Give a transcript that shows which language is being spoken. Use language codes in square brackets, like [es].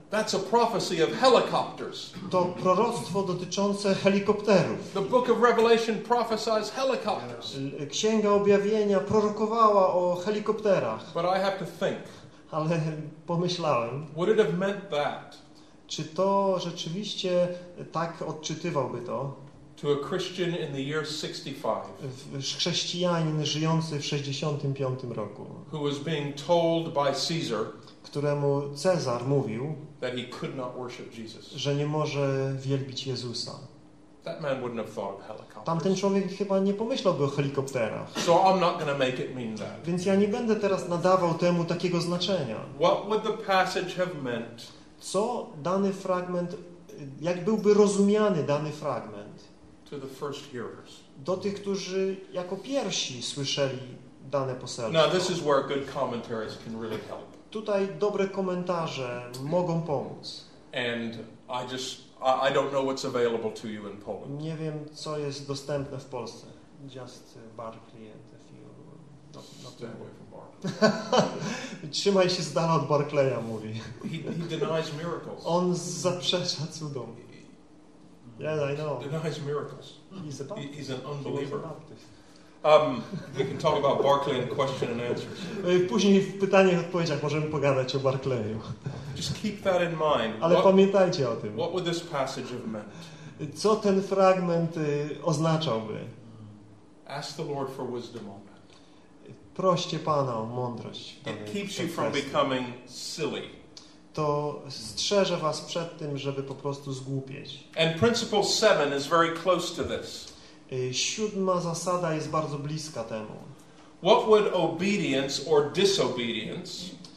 [en] That's a prophecy of helicopters. [pl] To proroctwo dotyczące helikopterów. [en] The book of Revelation prophesies helicopters. [pl] Księga Objawienia prorokowała o helikopterach. [en] But I have to think. [pl] Ale pomyślałem. [en] Would it have meant that? [pl] Czy to rzeczywiście tak odczytywałby to? [en] To a Christian in the year 65. [pl] Chrześcijanin żyjący w 65 roku. [en] Who was being told by Caesar, [pl] któremu Cezar mówił, [en] that he could not worship Jesus. [pl] Że nie może wielbić Jezusa. [en] That man wouldn't have thought of helicopters. [pl] Tamten człowiek chyba nie pomyślałby o helikopterach. [en] So I'm not going to make it mean that. [pl] Więc ja nie będę teraz nadawał temu takiego znaczenia. [en] What would the passage have meant? [pl] Co dany fragment, jak byłby rozumiany dany fragment? [en] To the first hearers. [pl] Do tych, którzy jako pierwsi słyszeli dane poselstwo. [en] Now this is where good commentaries can really help. [pl] Tutaj dobre komentarze mogą pomóc. [en] And I don't know what's available to you in Poland. [pl] Nie wiem, co jest dostępne w Polsce. [en] Just Barclay, if you not stay away from Barclay. [pl] Trzymaj się z dala od Barclaya, mówi. [en] He denies miracles. [pl] On zaprzecza cudom. [en] Yeah, I know. Denies miracles. He's a Baptist. He's an unbeliever. We can talk about Barclay in question and answers. [pl] Później w pytaniach i odpowiedziach możemy pogadać o Barclayu. [en] Just keep that in mind. [pl] Ale pamiętajcie o tym. [en] What would this passage have meant? [pl] Co ten fragment oznaczałby? [en] Ask the Lord for wisdom on that. [pl] Proście Pana o mądrość. [en] It keeps you from becoming silly. [pl] To strzeże was przed tym, żeby po prostu zgłupieć. [en] And principle 7 is very close to this. [pl] Siódma zasada jest bardzo bliska temu. [en] What would obedience or disobedience?